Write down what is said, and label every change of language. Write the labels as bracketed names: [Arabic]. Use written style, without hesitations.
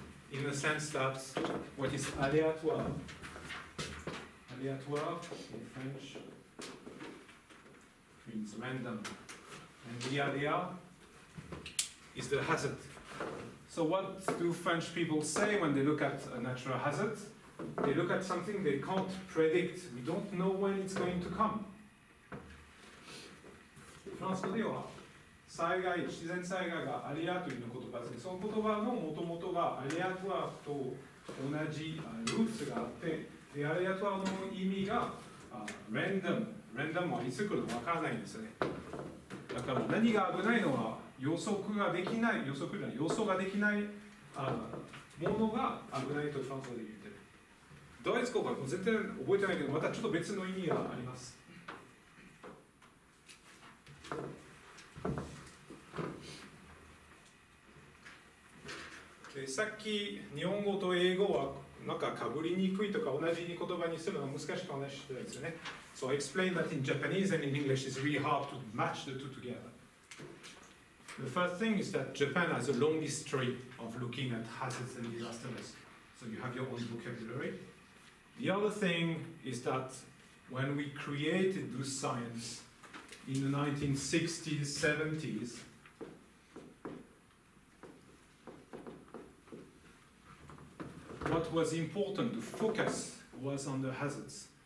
[Japanese] In the sense that what is aléatoire? Aléatoire in French means random. And the aléa is the hazard. So what do French people say when they look at a natural hazard? They look at something they can't predict. We don't know when it's going to come. フランス語では災害、自然災害がアリアという言葉です。その言葉のもともとはアリアトワークと同じルーツがあって、でアリアトワークの意味がランダム。ランダムはいつ来るのか分からないんですね。だから何が危ないのは予測ができない、予測では予想ができないものが危ないとフランス語で言っている。ドイツ語は絶対覚えてないけど、またちょっと別の意味があります。でさっき日本語と英語はなんかかぶりにくいとか同じ言葉にするのが難しく話してたんですよね。 [English] So I explained that in Japanese and in English it's really hard to match the two together. The first thing is that Japan has a long history of looking at hazards and disasters, so you have your own vocabulary. The other thing is that when we created this scienceIn the 1960s, 70s, what was important to focus was on the hazards.